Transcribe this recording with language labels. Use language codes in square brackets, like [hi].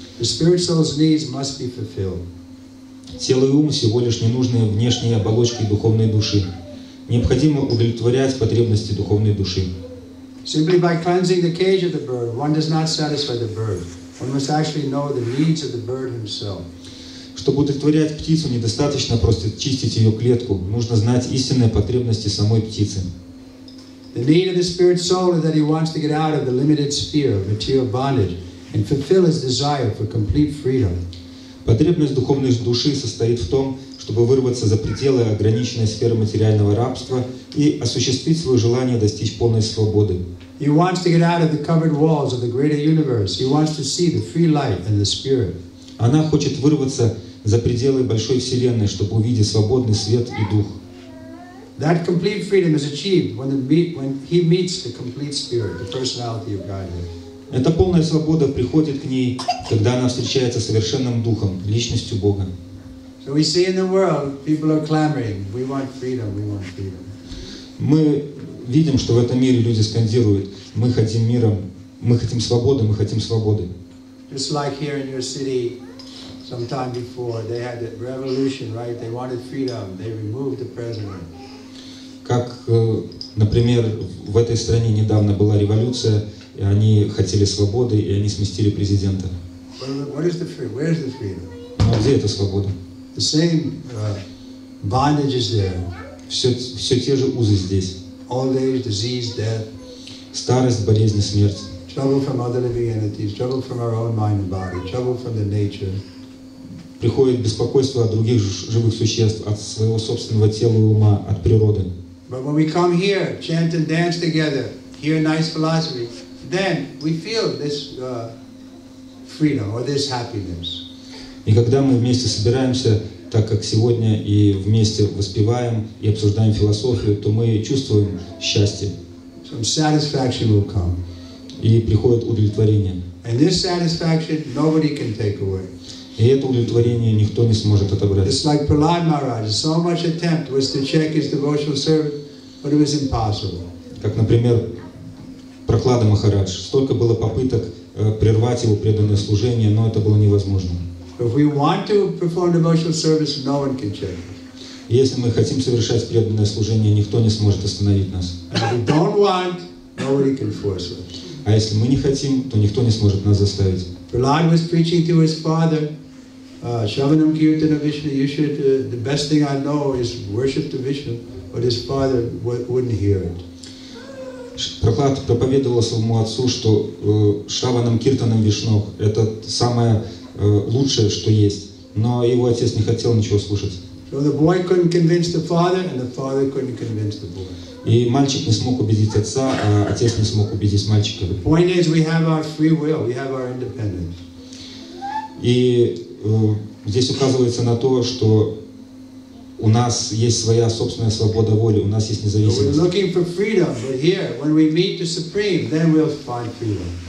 [en] The spirit soul's needs must be fulfilled. [ru] Тело и ум всего лишь ненужные внешние оболочки духовной души. Необходимо удовлетворять потребности духовной души. [en] Simply by cleansing the cage of the bird, one does not satisfy the bird. One must actually know the needs of the bird himself. [ru] Чтобы удовлетворять птицу, недостаточно просто чистить ее клетку. Нужно знать истинные потребности самой птицы. [en] The need of the spirit soul is that he wants to get out of the limited sphere of material bondage and fulfill his desire for complete freedom. [ru] Потребность духовной души состоит в том, чтобы вырваться за пределы ограниченной сферы материального рабства и осуществить свое желание достичь полной свободы. [en] He wants to get out of the covered walls of the greater universe. He wants to see the free light and the spirit. [ru] Она хочет вырваться за пределы большой вселенной, чтобы увидеть свободный свет и дух. [en] That complete freedom is achieved when he meets the complete spirit, the personality of Godhead. [ru] Эта полная свобода приходит к ней, когда она встречается с совершенным духом, личностью Бога. [en] So we see in the world people are clamoring, we want freedom, we want freedom. [ru] Мы видим, что в этом мире люди скандируют: мы хотим миром, мы хотим свободы, мы хотим свободы. [en] Just like here in your city, some time before they had a revolution, right? They wanted freedom. They removed the president. [ru] Как, например, в этой стране недавно была революция, и они хотели свободы, и они сместили президента. [en] What is the freedom? Where is the freedom? [ru] Ну, где эта свобода? [en] The same bondage is there. [ru] Все те же узы здесь. [en] Old age, disease, death. [ru] Старость, болезнь, смерть. [en] Trouble from other living entities, trouble from our own mind and body, trouble from the nature. [ru] Приходит беспокойство от других живых существ, от своего собственного тела и ума, от природы. [en] But when we come here, chant and dance together, hear nice philosophy, then we feel this freedom or this happiness. [ru] И когда мы вместе собираемся, так как сегодня, и вместе воспеваем и обсуждаем философию, то мы чувствуем счастье. [en] Some satisfaction will come. [ru] И приходит удовлетворение. [en] And this satisfaction nobody can take away. [ru] И это удовлетворение никто не сможет отобрать. [en] It's like Prahlad Maharaj. So much attempt was to check his devotional servant, but it was impossible. [ru] Как, например, Прохлада Махарадж. Столько было попыток прервать его преданное служение, но это было невозможно. [en] If we want to perform devotional service, no one can check. [ru] Если мы хотим совершать преданное служение, никто не сможет остановить нас. [en] And if we don't want, nobody can force us. [ru] А если мы не хотим, то никто не сможет нас заставить. [en] Prahlad was preaching to his father, [sa] Shravanam Kirtanam Vishnu, [en] you should, the best thing I know is worship to Vishnu, but his father wouldn't hear it. [ru] Prahlad проповедовал своему отцу, что [sa] Shravanam Kirtanam Vishnu, [ru] это самое лучшее, что есть, но его отец не хотел ничего слушать. [en] So the boy couldn't convince the father, and the father couldn't convince the boy. [ru] И мальчик не смог убедить отца, а отец не смог убедить мальчика. [en] The point is, we have our free will, we have our independence. [ru] И здесь указывается на то, что у нас есть своя собственная свобода воли, у нас есть независимость. [en] We're looking for freedom, but here, when we meet the Supreme, then we'll find freedom.